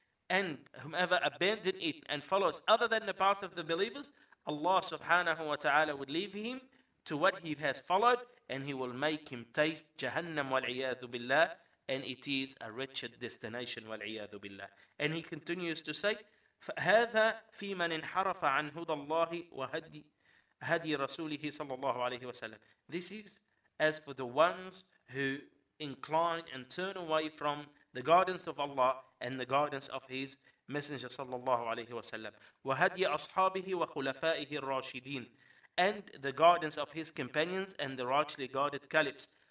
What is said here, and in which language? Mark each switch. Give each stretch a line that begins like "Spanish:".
English: And whomever abandon it and follows other than the path of the believers, Allah subhanahu wa ta'ala would leave him to what he has followed, and he will make him taste Jahannam
Arabic: وَالْعِيَاذُ بِاللَّهِ.
English: And it is a wretched destination,
Arabic: وَالْعِيَاذُ بِاللَّهِ.
English: And he continues to say,
Arabic: فَهَذَا فِي مَنْ انْحَرَفَ عَنْ هُدَى اللَّهِ وَهَدِي رَسُولِهِ صَلَّى اللَّهُ عَلَيْهِ وَسَلَّمَ.
English: This is as for the ones who incline and turn away from the guidance of Allah and the guidance of His Messenger sallallahu alayhi wa sallam,
Arabic: wa hadi ashabihi wa khulafaihi ar-rashidin,
English: and the guidance of His companions and the rightly guided caliphs.